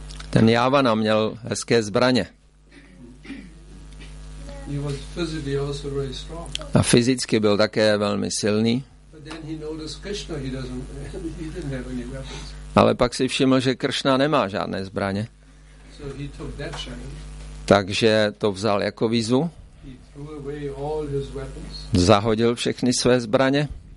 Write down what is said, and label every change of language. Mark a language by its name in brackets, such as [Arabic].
[Czech] Ten Yavana měl hezké zbraně. [English] He was physically also very strong. [Czech] A fyzicky byl také velmi silný. [English] But then he noticed Krishna, he didn't have any weapons. [Czech] Ale pak si všiml, že Kršna nemá žádné zbraně. [English] So he took that challenge. [Czech] Takže to vzal jako výzvu. [English] He threw away all his weapons. [Czech] Zahodil všechny své zbraně.